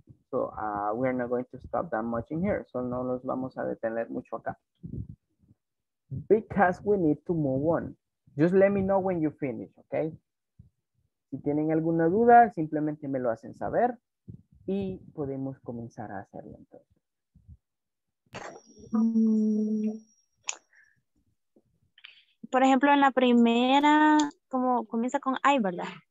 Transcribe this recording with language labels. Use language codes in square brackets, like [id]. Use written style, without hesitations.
[en] So we're not going to stop that much in here. [es] So no los vamos a detener mucho acá. [en] Because we need to move on. Just let me know when you finish, okay? [es] Si tienen alguna duda, simplemente me lo hacen saber y podemos comenzar a hacerlo entonces. Por ejemplo, en la primera, como comienza con I, ¿verdad?